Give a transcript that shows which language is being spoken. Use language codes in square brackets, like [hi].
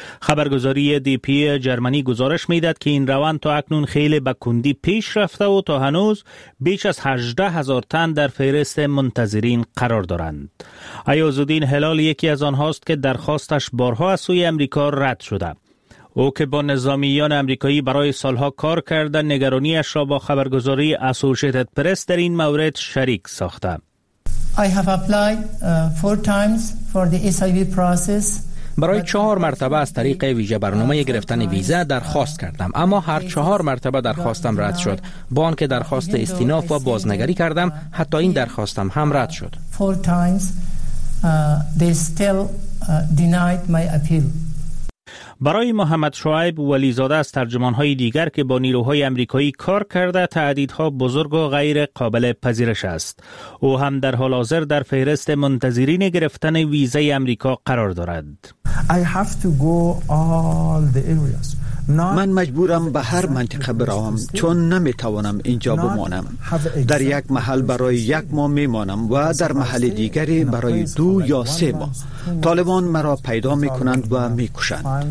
[fa] خبرگزاری دی پی جرمنی گزارش می‌دهد که این روند تا اکنون خیلی به کندی پیش رفته و تا هنوز بیش از 18,000 تن در فهرست منتظرین قرار دارند. ایاز‌الدین هلال یکی از آنهاست که درخواستش بارها از سوی آمریکا رد شده. او که با نظامیان آمریکایی برای سالها کار کرده نگرانیش را با خبرگزاری اسوشیتد پرس در این مورد شریک ساخته. [en] I have applied four times for the SIV process. [fa] برای چهار مرتبه از طریق ویژه برنامه گرفتن ویزه درخواست کردم، اما هر چهار مرتبه درخواستم رد شد. با آنکه درخواست استیناف و بازنگری کردم، حتی این درخواستم هم رد شد. [en] Four times they still denied my appeal. [fa] برای محمد شعیب ولیزاده از ترجمان‌های دیگر که با نیروهای آمریکایی کار کرده تعدیدها بزرگ و غیر قابل پذیرش است. او هم در حال حاضر در فهرست منتظرین گرفتن ویزه آمریکا قرار دارد. [en] I have to go all the areas. [fa] من مجبورم به هر منطقه بروم چون نمیتوانم اینجا بمانم. در یک محل برای یک ماه میمانم و در محل دیگری برای دو یا سه ماه. طالبان مرا پیدا میکنند و میکشند.